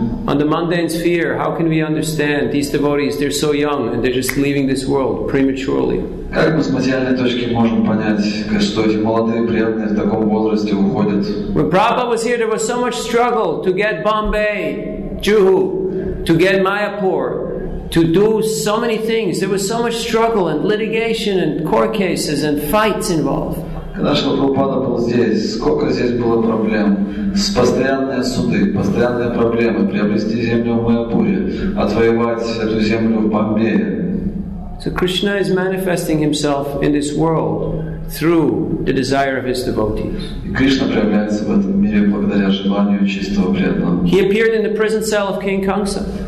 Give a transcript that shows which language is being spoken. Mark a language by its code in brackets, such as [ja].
[en] On the mundane sphere, how can we understand these devotees? They're so young and they're just leaving this world prematurely. [ru] Как мы с материальной точки можем понять, что эти молодые преданные в таком возрасте уходят? [en] When Prabhupada was here, there was so much struggle to get Bombay, Juhu, to get Mayapur, to do so many things. There was so much struggle and litigation and court cases and fights involved. [ru] Когда же Прабхупада был здесь, сколько здесь было проблем? С постоянные суды, постоянные проблемы приобрести землю в Майяпуре, отвоевать эту землю в Бомбее. [en] So Krishna is manifesting himself in this world through the desire of his devotees. He appeared in the prison cell of King Kamsa.